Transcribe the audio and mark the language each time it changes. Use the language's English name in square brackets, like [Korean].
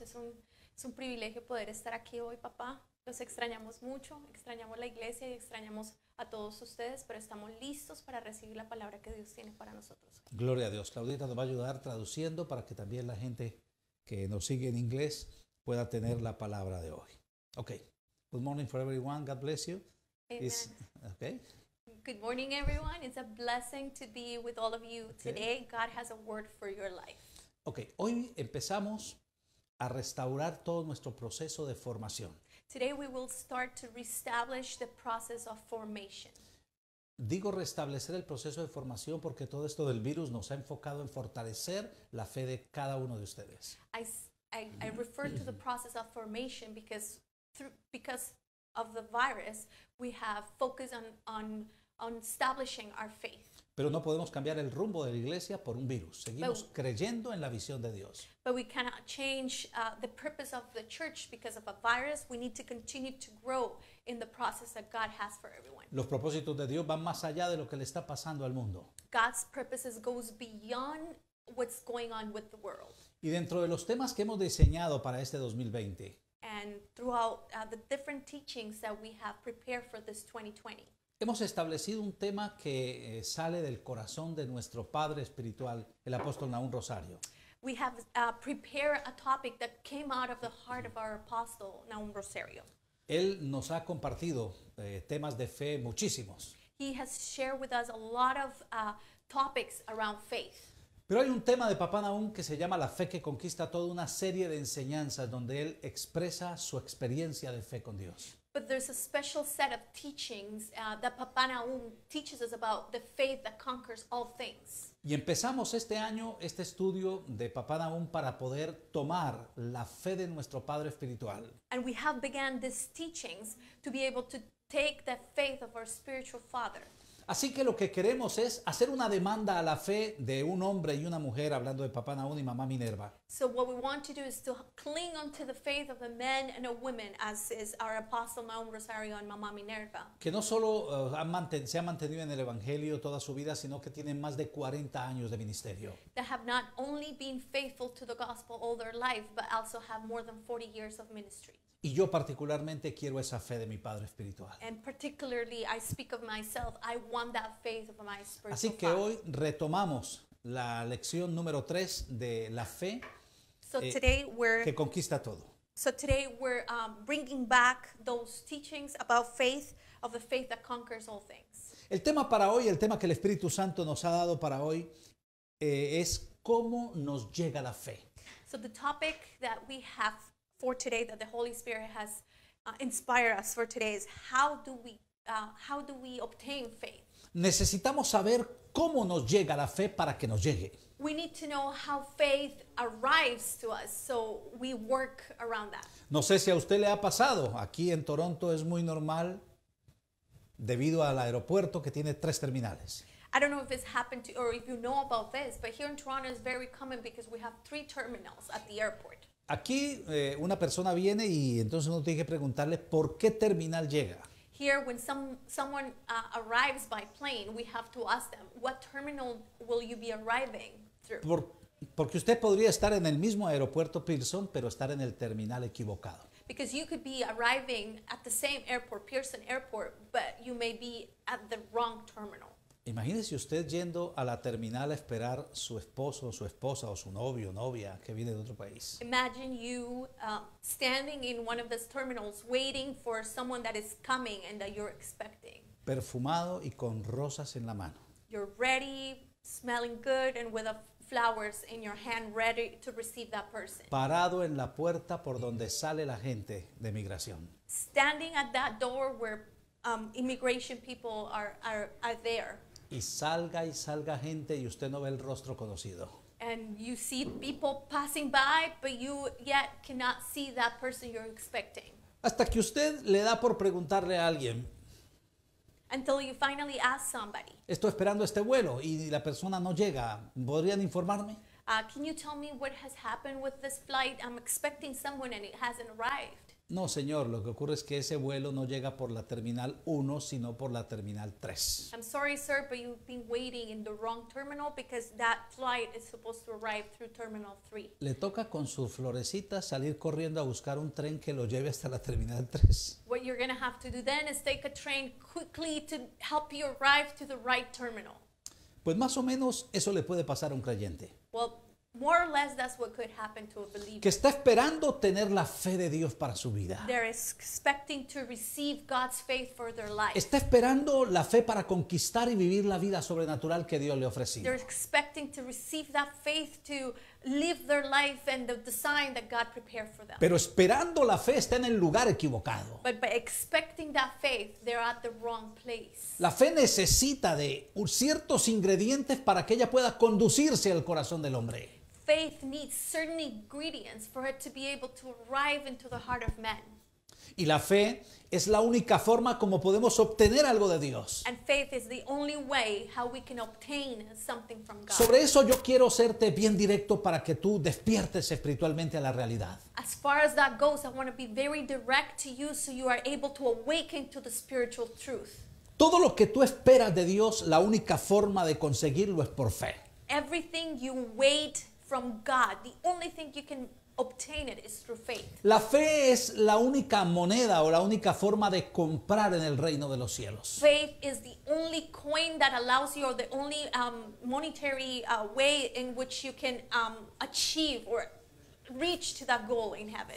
[Spanish] Es un privilegio poder estar aquí hoy, papá. Los extrañamos mucho, extrañamos la iglesia y extrañamos a todos ustedes, pero estamos listos para recibir la palabra que Dios tiene para nosotros. Gloria a Dios. Claudita nos va a ayudar traduciendo para que también la gente que nos sigue en inglés pueda tener la palabra de hoy. [English] Okay. Good morning for everyone. God bless you. Amen. Okay. Good morning, everyone. It's a blessing to be with all of you today. Okay. God has a word for your life. Okay. [Spanish] Hoy empezamos a restaurar todo nuestro proceso de formación. [English] Today we will start to reestablish the process of formation. [Spanish] Digo restablecer el proceso de formación porque todo esto del virus nos ha enfocado en fortalecer la fe de cada uno de ustedes. [English] I refer to the process of formation because of the virus we have focused on establishing our faith. [Spanish] Pero no podemos cambiar el rumbo de la iglesia por un virus. Seguimos creyendo en la visión de Dios. [English] But we cannot change the purpose of the church because of a virus. We need to continue to grow in the process that God has for everyone. [Spanish] Los propósitos de Dios van más allá de lo que le está pasando al mundo. [English] God's purposes goes beyond what's going on with the world. [Spanish] Y dentro de los temas que hemos diseñado para este 2020. [English] And throughout the different teachings that we have prepared for this 2020. [Spanish] Hemos establecido un tema que sale del corazón de nuestro padre espiritual, el apóstol Nahum Rosario. [English] We have prepared a topic that came out of the heart of our apostle Nahum Rosario. [Spanish] Él nos ha compartido temas de fe muchísimos. [English] He has shared with us a lot of topics around faith. [Spanish] Pero hay un tema de Papá Nahum que se llama La fe que conquista, toda una serie de enseñanzas donde él expresa su experiencia de fe con Dios. [English] But there's a special set of teachings that Papá Nahum teaches us about the faith that conquers all things. [Spanish] Y empezamos este año este estudio de Papá Nahum para poder tomar la fe de nuestro Padre Espiritual. [English] And we have began these teachings to be able to take the faith of our spiritual father. [Spanish] Así que lo que queremos es hacer una demanda a la fe de un hombre y una mujer, hablando de Papá Nahum y Mamá Minerva. [English] So what we want to do is to cling onto the faith of a man and a woman, as is our apostle Nahum Rosario and Mamá Minerva. [Spanish] Que no solo se ha mantenido en el Evangelio toda su vida, sino que tienen más de 40 años de ministerio. [English] That have not only been faithful to the gospel all their life, but also have more than 40 years of ministry. [Spanish] Y yo particularmente quiero esa fe de mi Padre Espiritual. [English] And particularly I speak of myself, I want that faith of my spiritual father. [Spanish] Así que hoy retomamos la lección número 3 de la fe que conquista todo. [English] So today we're bringing back those teachings about faith, of the faith that conquers all things. [Spanish] El tema para hoy, el tema que el Espíritu Santo nos ha dado para hoy, es cómo nos llega la fe. [English] So the topic that we have for today, that the Holy Spirit has inspired us for today, is how do we obtain faith? [Spanish] Necesitamos saber cómo nos llega la fe para que nos llegue. [English] We need to know how faith arrives to us, so we work around that. [Spanish] No sé si a usted le ha pasado. Aquí en Toronto es muy normal, debido al aeropuerto que tiene 3 terminales. [English] I don't know if this happened to or if you know about this, but here in Toronto it's very common because we have 3 terminals at the airport. [Spanish] Aquí una persona viene y entonces uno tiene que preguntarle por qué terminal llega. [English] Here, when someone arrives by plane, we have to ask them, what terminal will you be arriving through? [Spanish] Porque usted podría estar en el mismo aeropuerto Pearson, pero estar en el terminal equivocado. [English] Because you could be arriving at the same airport, Pearson Airport, but you may be at the wrong terminal. [Spanish] Imagínese usted yendo a la terminal a esperar su esposo o su esposa o su novio o novia que viene de otro país. [English] Imagine you standing in one of those terminals waiting for someone that is coming and that you're expecting. [Spanish] Perfumado y con rosas en la mano. [English] You're ready, smelling good and with flowers in your hand ready to receive that person. [Spanish] Parado en la puerta por donde sale la gente de migración. [English] Standing at that door where immigration people are there. [Spanish] Y salga gente y usted no ve el rostro conocido. [English] And you see people passing by, but you yet cannot see that person you're expecting. [Spanish] Hasta que usted le da por preguntarle a alguien. [English] Until you finally ask somebody. [Spanish] Estoy esperando este vuelo y la persona no llega. ¿Podrían informarme? [English] Can you tell me what has happened with this flight? I'm expecting someone and it hasn't arrived. [Spanish] No, señor, lo que ocurre es que ese vuelo no llega por la terminal 1, sino por la terminal 3. [English] I'm sorry, sir, but you've been waiting in the wrong terminal because that flight is supposed to arrive through terminal 3. [Spanish] Le toca con su florecita salir corriendo a buscar un tren que lo lleve hasta la terminal 3. [English] What you're going to have to do then is take a train quickly to help you arrive to the right terminal. [Spanish] Pues más o menos eso le puede pasar a un creyente. [English] Well, more or less, that's what could happen to a believer. [Spanish] Que está esperando tener la fe de Dios para su vida. [English] They're expecting to receive God's faith for their life. [Spanish] Está esperando la fe para conquistar y vivir la vida sobrenatural que Dios le ha ofrecido. [English] They're expecting to receive that faith to live their life and the design that God prepared for them. [Spanish] Pero esperando la fe está en el lugar equivocado. [English] But by expecting that faith, they're at the wrong place. [Spanish] La fe necesita de ciertos ingredientes para que ella pueda conducirse al corazón del hombre. [English] Faith needs certain ingredients for it to be able to arrive into the heart of men. [Spanish] Y la fe es la única forma como podemos obtener algo de Dios. [English] And faith is the only way how we can obtain something from God. [Spanish] Sobre eso yo quiero serte bien directo para que tú despiertes espiritualmente a la realidad. [English] As far as that goes, I want to be very direct to you so you are able to awaken to the spiritual truth. [Spanish] Todo lo que tú esperas de Dios, la única forma de conseguirlo es por fe. [English] Everything you wait from God, the only thing you can obtain it is through faith. La fe es la única moneda o la única forma de comprar en el reino de los cielos. Faith is the only coin that allows you, or the only monetary way in which you can achieve or reach to that goal in heaven.